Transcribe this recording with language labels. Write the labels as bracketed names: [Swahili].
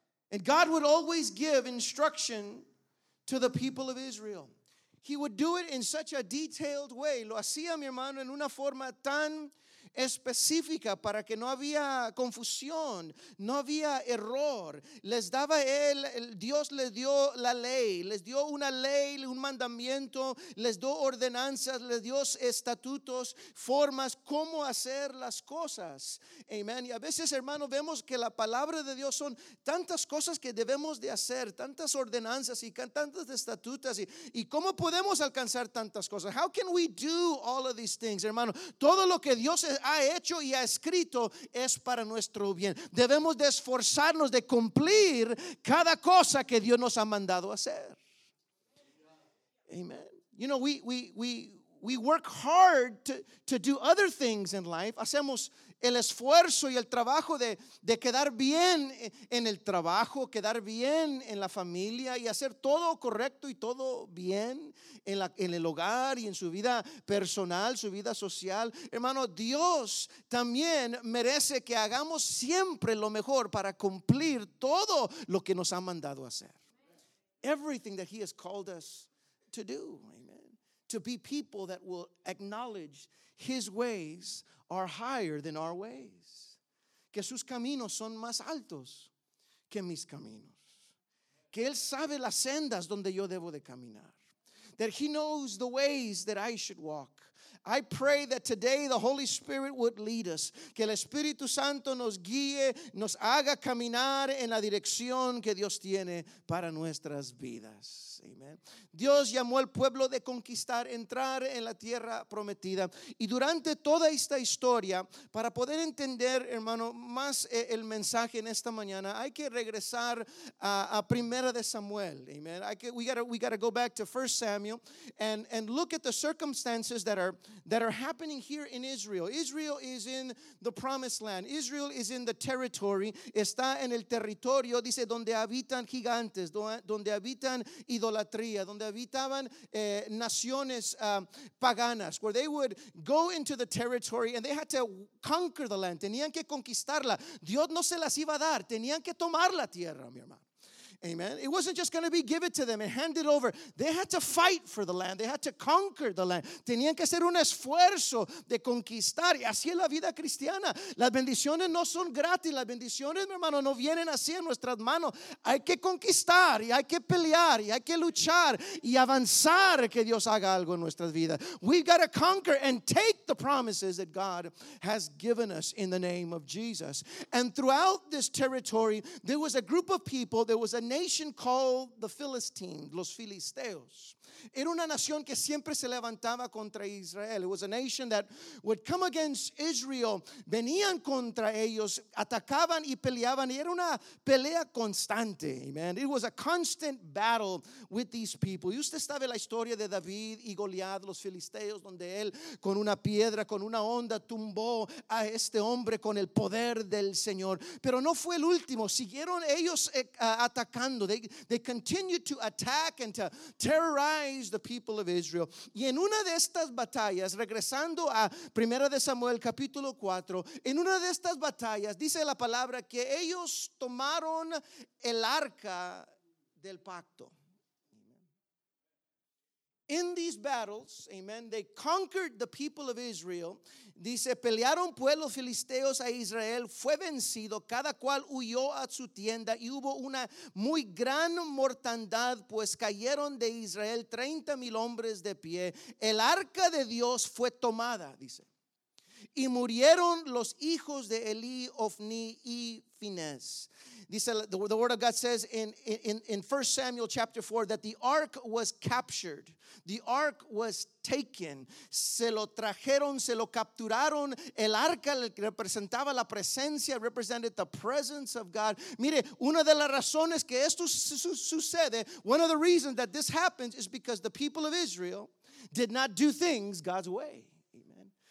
[English] And God would always give instruction to the people of Israel. He would do it in such a detailed way. [Spanish] Lo hacía, mi hermano, en una forma tan específica para que no había confusión, no había error. Les daba él, Dios les dio la ley, les dio una ley, un mandamiento, les dio ordenanzas, les dio estatutos, formas, cómo hacer las cosas. Amen. Y a veces, hermano, vemos que la palabra de Dios son tantas cosas que debemos de hacer, tantas ordenanzas y tantas estatutas. Y cómo podemos alcanzar tantas cosas. [English] How can we do all of these things, hermano? [Spanish] Todo lo que Dios ha hecho y ha escrito es para nuestro bien. Debemos de esforzarnos de cumplir cada cosa que Dios nos ha mandado hacer. Amen. [English] You know, we work hard to do other things in life. [Spanish] Hacemos el esfuerzo y el trabajo de quedar bien en el trabajo, quedar bien en la familia y hacer todo correcto y todo bien en el hogar y en su vida personal, su vida social. Hermano, Dios también merece que hagamos siempre lo mejor para cumplir todo lo que nos ha mandado hacer. [English] Everything that He has called us to do. To be people that will acknowledge His ways are higher than our ways. [Spanish] Que sus caminos son más altos que mis caminos. Que Él sabe las sendas donde yo debo de caminar. [English] That He knows the ways that I should walk. I pray that today the Holy Spirit would lead us. [Spanish] Que el Espíritu Santo nos guíe, nos haga caminar en la dirección que Dios tiene para nuestras vidas. Amen. Dios llamó al pueblo de conquistar, entrar en la tierra prometida. Y durante toda esta historia, para poder entender, hermano, más el mensaje en esta mañana, hay que regresar a Primera de Samuel. Amen. [English] We gotta go back to 1 Samuel and look at the circumstances that are happening here in Israel. Israel is in the promised land. Israel is in the territory. [Spanish] Está en el territorio, dice, donde habitan gigantes, donde habitan idolatría, donde habitaban naciones paganas, [English] where they would go into the territory and they had to conquer the land. [Spanish] Tenían que conquistarla. Dios no se las iba a dar. Tenían que tomar la tierra, mi hermano. Amen. [English] It wasn't just going to be give it to them and hand it over. They had to fight for the land. They had to conquer the land. [Spanish] Tenían que hacer un esfuerzo de conquistar. Y así es la vida cristiana. Las bendiciones no son gratis. Las bendiciones, mi hermano, no vienen así en nuestras manos. Hay que conquistar y hay que pelear y hay que luchar y avanzar que Dios haga algo en nuestras vidas. [English] We've got to conquer and take the promises that God has given us in the name of Jesus. And throughout this territory, there was a group of people, there was a nation called the Philistines, los Filisteos. [Spanish] Era una nación que siempre se levantaba contra Israel. [English] It was a nation that would come against Israel. [Spanish] Venían contra ellos, atacaban y peleaban. Y era una pelea constante, amen. [English] It was a constant battle with these people. [Spanish] Y usted sabe la historia de David y Goliat, los filisteos, donde él con una piedra, con una onda, tumbó a este hombre con el poder del Señor. Pero no fue el último. Siguieron ellos atacando. [English] They continued to attack and to terrorize the people of Israel. [Spanish] Y en una de estas batallas, regresando a Primera de Samuel capítulo 4, en una de estas batallas dice la palabra que ellos tomaron el arca del pacto. [English] In these battles, amen, they conquered the people of Israel. [Spanish] Dice, pelearon pueblos filisteos a Israel, fue vencido, cada cual huyó a su tienda y hubo una muy gran mortandad, pues cayeron de Israel 30,000 hombres de pie. El arca de Dios fue tomada, dice, y murieron los hijos de Eli, Ofni y Finés. [English] Dice, the word of God says in 1 Samuel chapter 4 that the ark was captured. The ark was taken. [Spanish] Se lo trajeron, se lo capturaron. El arca representaba la presencia, [English] represented the presence of God. [Spanish] Mire, una de las razones que esto sucede, [English] one of the reasons that this happens is because the people of Israel did not do things God's way. Amen.